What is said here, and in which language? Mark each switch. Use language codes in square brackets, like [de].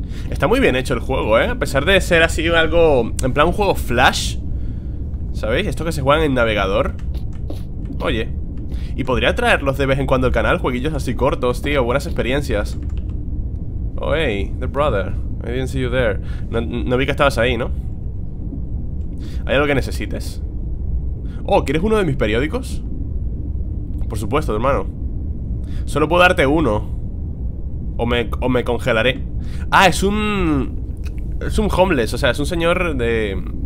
[es] Está muy bien hecho el juego, ¿eh? A pesar de ser así algo, en plan un juego flash, ¿sabéis? Esto que se juega en navegador. Oye, y podría traerlos de vez en cuando al canal, jueguillos así cortos, tío, buenas experiencias. [en] Oh, hey, the brother, I didn't see you there. [es] No vi que estabas ahí, ¿no? ¿Hay algo que necesites? Oh, ¿quieres uno de mis periódicos? Por supuesto, hermano. Solo puedo darte uno. O me congelaré. Ah, es un homeless, o sea, es un señor de...